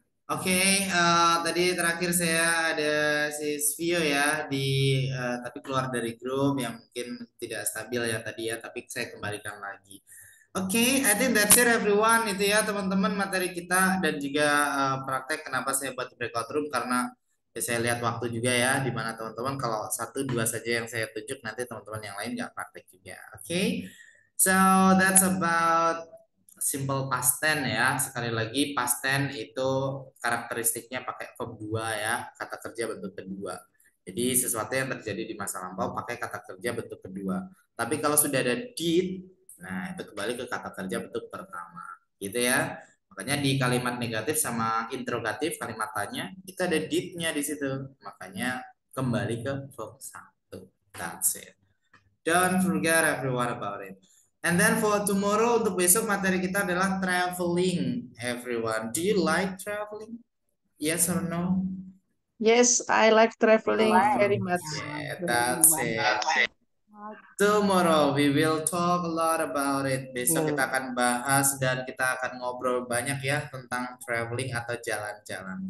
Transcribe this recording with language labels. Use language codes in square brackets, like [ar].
[id] Okay, tadi terakhir saya ada sis Vio ya di tapi keluar dari grup yang mungkin tidak stabil ya tadi ya, tapi saya kembalikan lagi. [en] Okay, I think that's it everyone, [id] itu ya teman-teman materi kita dan juga praktek kenapa saya buat breakout room karena ya, saya lihat waktu juga ya di mana teman-teman kalau satu dua saja yang saya tunjuk nanti teman-teman yang lain nggak praktek juga. [en] Okay, so that's about simple past tense ya. [id] Sekali lagi past tense itu karakteristiknya pakai verb 2 ya, kata kerja bentuk kedua. Jadi sesuatu yang terjadi di masa lampau pakai kata kerja bentuk kedua. Tapi kalau sudah ada did, nah itu kembali ke kata kerja bentuk pertama. Gitu ya. Makanya di kalimat negatif sama interrogatif kalimat tanya kita ada did-nya di situ. Makanya kembali ke verb 1. [en] That's it. Don't forget everyone about it. And then for tomorrow, [id] untuk besok materi kita adalah [en] traveling, everyone. Do you like traveling? Yes or no? Yes, I like traveling very much. Yeah, that's it. Tomorrow we will talk a lot about it. [id] Besok kita akan bahas dan kita akan ngobrol banyak ya tentang traveling atau jalan-jalan.